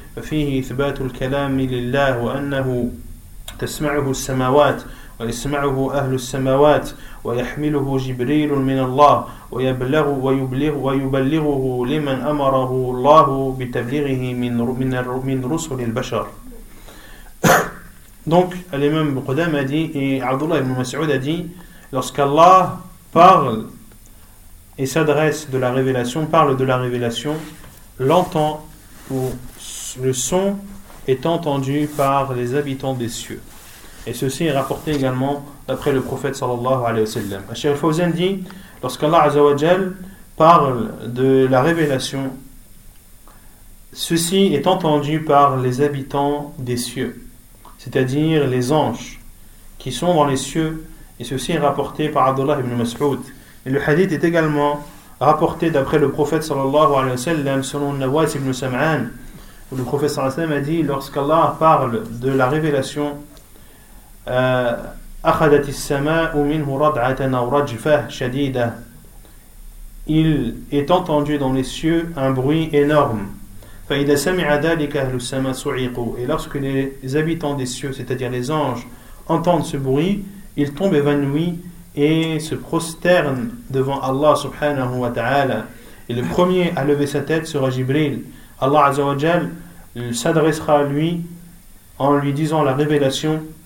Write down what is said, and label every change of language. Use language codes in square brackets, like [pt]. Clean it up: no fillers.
[ar] ففيه إثبات الكلام لله وأنه تسمعه السماوات ويسمعه أهل السماوات ويحمله جبريل من الله ويبلغه لمن أمره الله بتبليغه من رسل البشر. [fr] Donc l'imam Qudam a dit et Abdullah ibn Mas'ud a dit, lorsqu'Allah parle et s'adresse de la révélation, parle de la révélation, l'entend ou le son est entendu par les habitants des cieux. Et ceci est rapporté également d'après le prophète sallallahu alayhi wa sallam. Cheikh Al-Fawzan dit, lorsqu'Allah azawajal parle de la révélation, ceci est entendu par les habitants des cieux, c'est-à-dire les anges qui sont dans les cieux, et ceci est rapporté par Abdullah ibn Mas'ud. Et le hadith est également rapporté d'après le prophète sallallahu alayhi wa sallam selon Nawas ibn Sam'an, où le prophète sallallahu alayhi wa sallam a dit, lorsqu'Allah parle de la révélation, [ar] أخذت السماء منه ردعة أو رجفة شديدة. [fr] Il est entendu dans les cieux un bruit énorme. [ar] فإذا سمع ذلك أهل السماء صعقوا. [fr] Et lorsque les habitants des cieux, c'est-à-dire les anges, entendent ce bruit, ils tombent évanouis et se prosternent devant Allah subhanahu wa ta'ala. Et le premier à lever sa tête sera Jibril. Allah Azza wa Jal s'adressera à lui en lui disant la révélation.